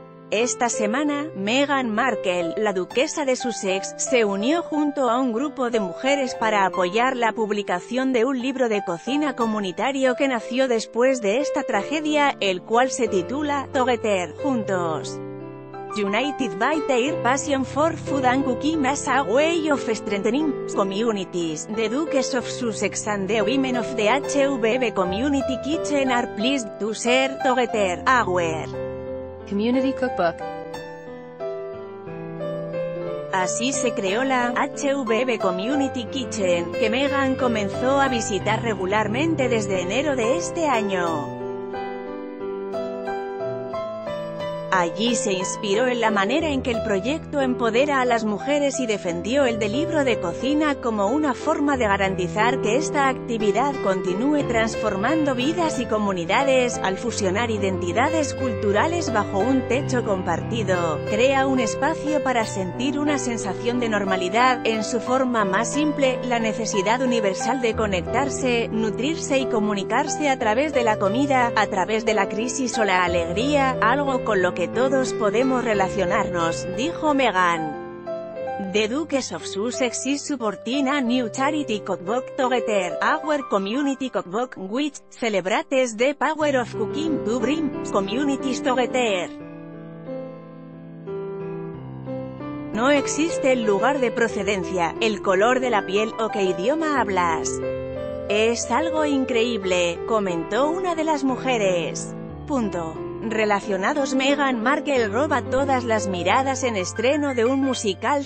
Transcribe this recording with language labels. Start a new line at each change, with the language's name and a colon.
Spanish: Esta semana, Meghan Markle, la duquesa de Sussex, se unió junto a un grupo de mujeres para apoyar la publicación de un libro de cocina comunitario que nació después de esta tragedia, el cual se titula Together, Juntos.
English: United by their passion for food and cooking as a way of strengthening communities, the Duchess of Sussex and the women of the HUBB community kitchen are pleased to share together our community cookbook.
Spanish: Así se creó la HUBB Community Kitchen, que Meghan comenzó a visitar regularmente desde enero de este año. Allí se inspiró en la manera en que el proyecto empodera a las mujeres y defendió el del libro de cocina como una forma de garantizar que esta actividad continúe transformando vidas y comunidades, al fusionar identidades culturales bajo un techo compartido, crea un espacio para sentir una sensación de normalidad, en su forma más simple, la necesidad universal de conectarse, nutrirse y comunicarse a través de la comida, a través de la crisis o la alegría, algo con lo que todos podemos relacionarnos, dijo Meghan.
English: The Duchess of Sussex is supporting a new charity cookbook Together, our community cookbook, which celebrates the power of cooking to bring communities together.
Spanish: No existe el lugar de procedencia, el color de la piel o qué idioma hablas. Es algo increíble, comentó una de las mujeres. Punto. Relacionados Meghan Markle roba todas las miradas en estreno de un musical.